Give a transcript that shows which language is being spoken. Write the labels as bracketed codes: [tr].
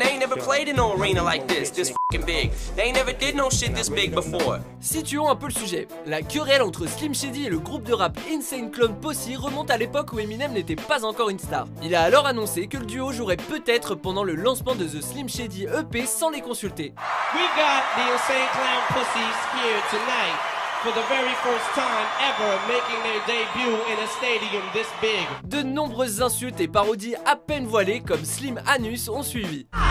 [en] They ain't never played in no arena like this, this f***ing big. They ain't never did no shit this big before. [fr] Situons un peu le sujet. La querelle entre Slim Shady et le groupe de rap Insane Clown Posse remonte à l'époque où Eminem n'était pas encore une star. Il a alors annoncé que le duo jouerait peut-être pendant le lancement de The Slim Shady EP sans les consulter. [en] We got the Insane Clown Posse here tonight. For the very first time ever making their debut in a stadium this big. [fr] De nombreuses insultes et parodies à peine voilées comme Slim Anus ont suivi.